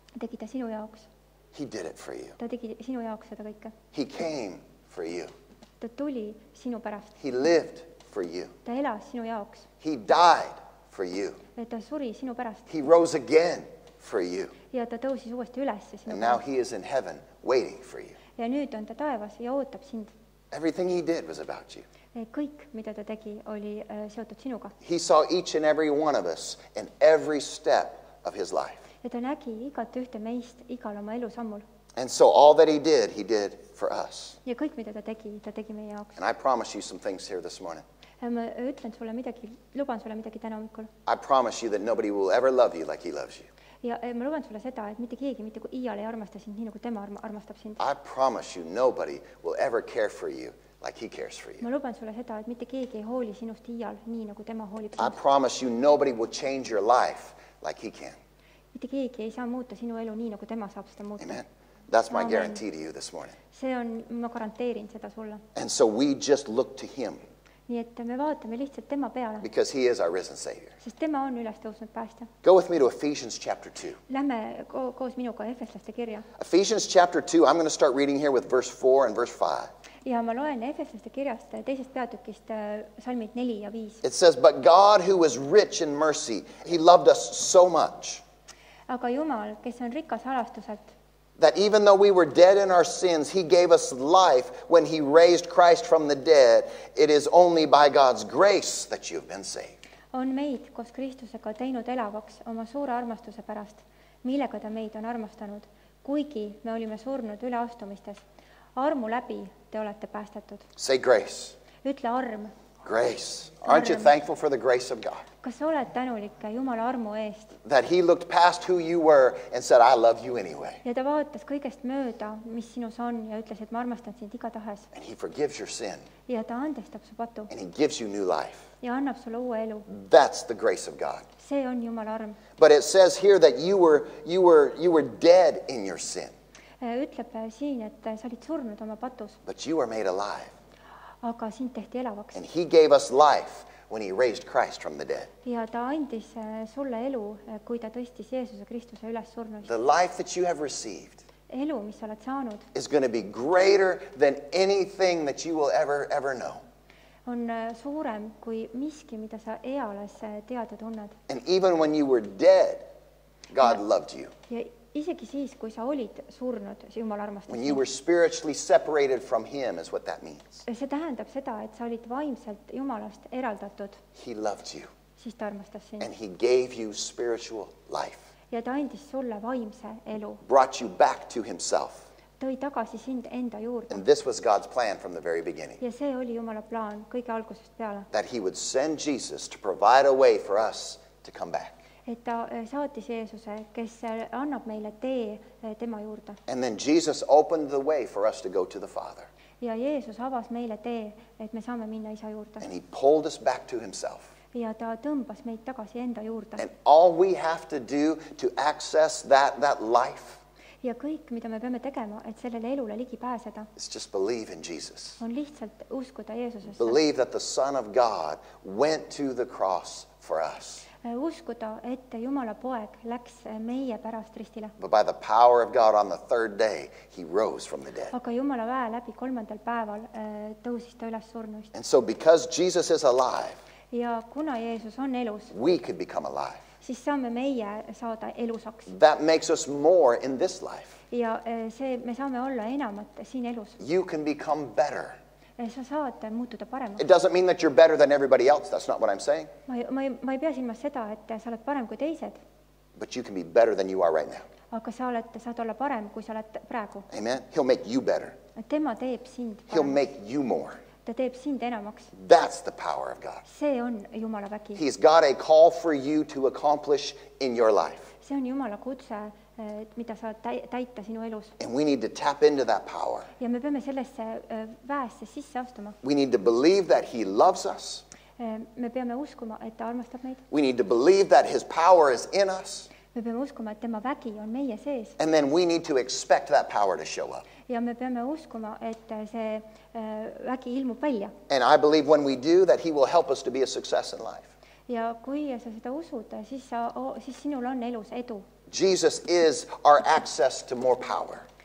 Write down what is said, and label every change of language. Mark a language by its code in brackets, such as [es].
[et] Tegi ta sinu jaoks. [en] He did it for you. [et] Ta tegi sinu jaoks seda kõike. [en] He came for you. [et] Ta tuli sinu pärast. [en] He lived for you. [et] Ta elas sinu jaoks. [en] He died for you. [et] Ta suri sinu pärast. [en] He rose again for you. [et] Ja ta tõusis uuesti üles sinu pärast. [en] And now he is in heaven waiting for you. [et] Ja nüüd on ta taevas ja ootab sind. [en] Everything he did was about you. [et] Kõik, mida ta tegi, oli seotud sinuga. [en] He saw each and every one of us in every step of his life. [et] Ja ta nägi igat ühte meist igal oma elu sammul. [en] And so all that he did for us. [et] Ja kõik, mida ta tegi meie jaoks. [en] And I promise you some things here this morning. [et] Ja ma ütlen sulle midagi, luban sulle midagi täna hommikul. [en] I promise you that nobody will ever love you like he loves you. [et] Ja ma luban sulle seda, et mitte keegi, mitte kui iial ei armasta sind, nii nagu tema armastab sind. [en] I promise you nobody will ever care for you like he cares for you. [et] Ma luban sulle seda, et mitte keegi ei hooli sinust iial, nii nagu tema hoolib sind. [en] I promise you nobody will change your life like he can. [et] Mitte keegi ei saa muuta sinu elu nii, nagu tema saab seda muuta. [en] Amen. That's my guarantee to you this morning. [et] See on, ma garanteerin seda sulle. [en] And so we just look to him. [et] Nii et me vaatame lihtsalt tema peale. [en] Because he is our risen Savior. [et] Sest tema on ülestõusnud päästja. [en] Go with me to Ephesians chapter 2. [et] Lähme koos minuga Efeslaste kirja. [en] Ephesians chapter 2, I'm going to start reading here with verse 4 and verse 5. [et] Ja ma loen Efeslaste kirjast teisest peatükist salmid 4 ja 5. [en] It says, but God who was rich in mercy, he loved us so much. [et] Aga Jumal, kes on rikas halastuselt. [en] That even though we were dead in our sins, he gave us life when he raised Christ from the dead. It is only by God's grace that you've been saved. [et] On meid koos Kristusega teinud elavaks oma suure armastuse pärast, millega ta meid on armastanud, kuigi me olime surnud üleastumistes. Armu läbi te olete päästetud. [en] Say grace. [et] Ütle arm. [en] Grace. Aren't you thankful for the grace of God? [et] Kas oled tänulik Jumala armu eest? [en] That he looked past who you were and said, I love you anyway. [et] Ja ta vaatas kõigest mööda, mis sinus on ja ütles, et ma armastan sind iga tahes. [en] And he forgives your sin. [et] Ja ta andestab su patu. [en] And he gives you new life. [et] Ja annab sulle uue elu. [en] That's the grace of God. [et] See on Jumala arm. [en] But it says here that you were dead in your sin. [et] Ütleb siin, et sa olid surnud oma patus. [en] But you were made alive. [et] Aga sind tehti elavaks. [en] And he gave us life when he raised Christ from the dead. [et] Ja ta andis sulle elu, kui ta tõstis Jeesuse Kristuse üles surnust. [en] The life that you have received [et] elu, mis oled saanud, [en] is going to be greater than anything that you will ever know. [et] On suurem kui miski, mida sa eales teada tunned. [en] And even when you were dead, God loved you. [et] Ja Isegi siis, kui sa olid surnud, Jumal armastas. [en] When you were spiritually separated from him is what that means. [et] See tähendab seda, et sa olid vaimselt Jumalast eraldatud. [en] He loved you. [et] Siis ta armastas sind. [en] And he gave you spiritual life. [et] Ja ta andis sulle vaimse elu. [en] Brought you back to himself. [et] Tõi tagasi sind enda juurde. [en] And this was God's plan from the very beginning. [et] Ja see oli Jumala plaan kõige algusest peale. [en] That he would send Jesus to provide a way for us to come back. [et] Et ta saatis Jeesuse, kes annab meile tee tema juurde. [en] And then Jesus opened the way for us to go to the Father. [et] Ja Jeesus avas meile tee, et me saame minna isa juurde. [en] And he pulled us back to himself. [et] Ja ta tõmbas meid tagasi enda juurde. [en] And all we have to do to access that life. [et] Ja kõik, mida me peame tegema, et sellele elule ligi pääseda. [en] It's just believe in Jesus. [et] On lihtsalt uskuda Jeesusesse. [en] Believe that the Son of God went to the cross for us. [et] Uskuda, et Jumala poeg läks meie pärast ristile. [en] But by the power of God on the third day, he rose from the dead. [et] Aga Jumala väe läbi kolmandal päeval tõusis ta üles surnuist. [en] And so because Jesus is alive, [et] ja kuna Jeesus on elus, [en] we could become alive. [et] Siis saame meie saada elusaks. [en] That makes us more in this life. [et] Ja see, me saame olla enamat siin elus. [en] You can become better. [et] Sa saad muutuda paremaks. [en] It doesn't mean that you're better than everybody else. That's not what I'm saying. [et] Ma ei pea silmas seda, et sa oled parem kui teised. [en] But you can be better than you are right now. [et] Aga sa oled, saad olla parem kui sa oled praegu. [en] Amen. He'll make you better. [et] Tema teeb sind paremaks. [en] He'll make you more. [et] Ta teeb sind enamaks. [en] That's the power of God. [et] See on Jumala väki. [en] He's got a call for you to accomplish in your life. [et] See on Jumala kutse. Mida sa täita sinu elus. [en] And we need to tap into that power. [et] Ja me peame sellesse väesse sisse astuma. [en] We need to believe that he loves us. [et] Me peame uskuma, et ta armastab meid. [en] We need to believe that his power is in us. [et] Me peame uskuma, et tema vägi on meie sees. [en] And then we need to expect that power to show up. [et] Ja me peame uskuma, et see vägi ilmub välja. [en] And I believe when we do that he will help us to be a success in life. [et] Ja kui sa seda usud, siis sinul on elus edu. [en] Jesus is our access to more power.